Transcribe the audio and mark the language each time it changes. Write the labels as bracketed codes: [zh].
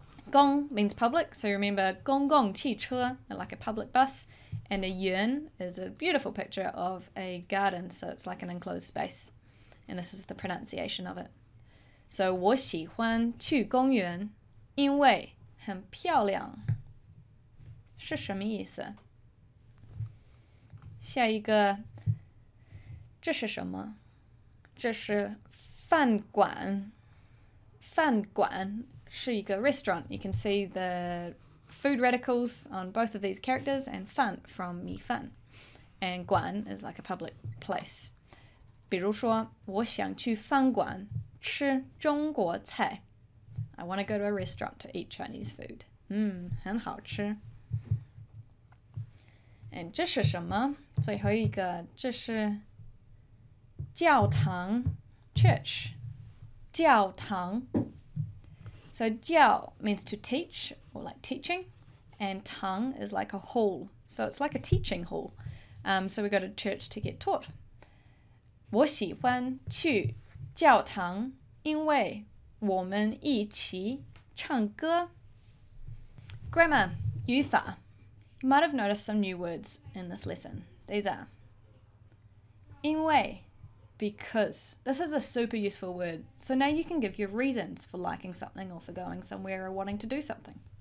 [en] Gong means public, so remember gong gong 汽车 like a public bus, and a yuan is a beautiful picture of a garden, so it's like an enclosed space, and this is the pronunciation of it. [zh] So 我喜欢去公园，因为很漂亮，是什么意思？下一个，这是什么？这是饭馆，饭馆。是一个 restaurant. [en] You can see the food radicals on both of these characters, and fan from 米饭，and 馆 is like a public place. [zh] 比如说，我想去饭馆吃中国菜。 [en] I want to go to a restaurant to eat Chinese food. [zh] 很好吃。 And 这是什么？最后一个，这是教堂，church，教堂。 [en] So 教 means to teach or like teaching, and 堂 is like a hall, so it's like a teaching hall. So we go to church to get taught. [zh] 我喜欢去教堂，因为我们一起唱歌。 [en] Grammar 语法，You might have noticed some new words in this lesson. These are 因为 Because this is a super useful word. So now you can give your reasons for liking something or for going somewhere or wanting to do something.